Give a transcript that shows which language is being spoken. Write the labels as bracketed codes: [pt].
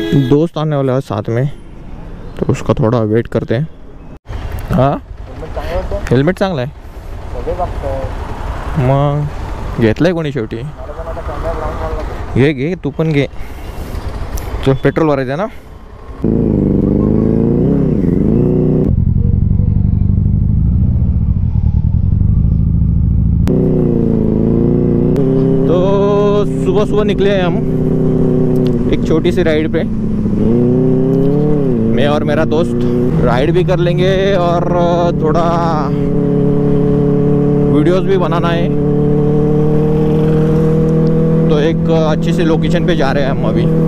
[hi] दोस्त आने वाला है साथ में तो उसका थोड़ा वेट करते हैं. [mr] हाँ हेलमेट चांगला आहे मग घेतलं आहे कोणी शेवटी? घे घे तू पण घे. तुम पेट्रोल भरायचं ना? [hi] तो सुबह निकले आहे हम एक छोटी सी राइड पे. मैं और मेरा दोस्त राइड भी कर लेंगे और थोड़ा वीडियोस भी बनाना है तो एक अच्छी सी लोकेशन पे जा रहे हैं हम अभी.